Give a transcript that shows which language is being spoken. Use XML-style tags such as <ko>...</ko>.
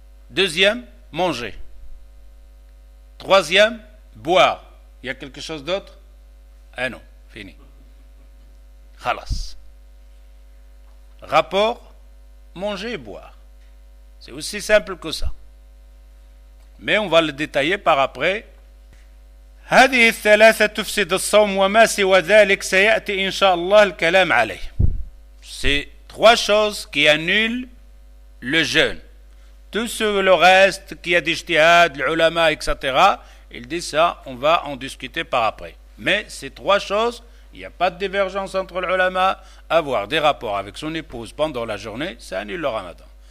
<fr>Deuxième, manger. Troisième, boire. Il y a quelque chose d'autre? Ah non, fini. Khalas. Rapport, manger et boire. C'est aussi simple que ça. Mais on va le détailler par après.</fr> <ar>هذه الثلاثة تفسد الصوم وما سوى ذلك سيأتي إن شاء الله الكلام عليه.</ar> <fr>C'est trois choses qui annulent le jeûne. Tout ce, le reste, qui a des ijtihad, l'ulama, etc. Il dit ça, on va en discuter par après. Mais ces trois choses, il n'y a pas de divergence entre l'ulama. Avoir des rapports avec son épouse pendant la journée, ça annule le ramadan.</fr>